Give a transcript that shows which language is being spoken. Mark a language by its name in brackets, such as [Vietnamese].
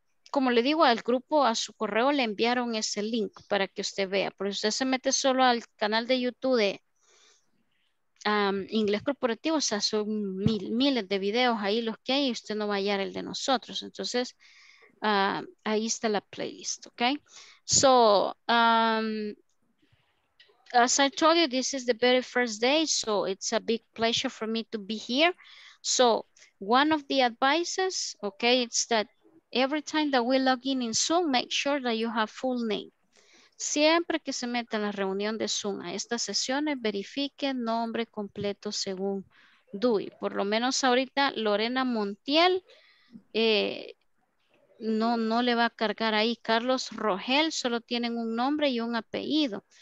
[Spanish] Como le digo, al grupo, a su correo le enviaron ese link para que usted vea. Pero si usted se mete solo al canal de YouTube de Inglés Corporativo, o sea, son miles de videos ahí los que hay, y usted no va a hallar el de nosotros. Entonces, ahí está la playlist, ¿ok? [English] So, as I told you, this is the very first day, so it's a big pleasure for me to be here. So, one of the advices, okay, it's that every time that we log in Zoom, make sure that you have full name. [Spanish] Siempre que se meta en la reunión de Zoom a estas sesiones, verifique nombre completo según DUI. Por lo menos ahorita, Lorena Montiel, no le va a cargar ahí. Carlos Rogel, solo tienen un nombre y un apellido.